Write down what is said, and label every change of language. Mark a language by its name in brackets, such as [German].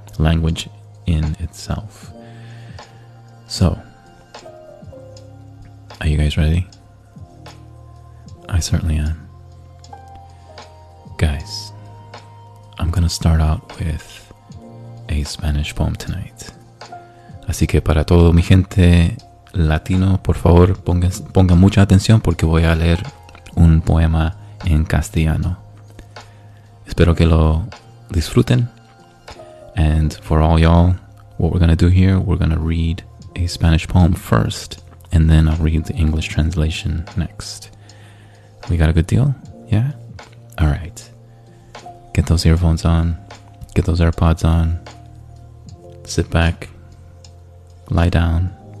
[English] Language in itself. So, are you guys ready? I certainly am. Guys, I'm gonna start out with a Spanish poem tonight. [Spanish] Así que para todo mi gente latino, por favor, ponga mucha atención porque voy a leer un poema en castellano. Espero que lo disfruten. [English] And for all y'all, what we're gonna do here, we're gonna read a Spanish poem first, and then I'll read the English translation next. We got a good deal? Yeah? All right. Get those earphones on. Get those AirPods on. Sit back. Lie down.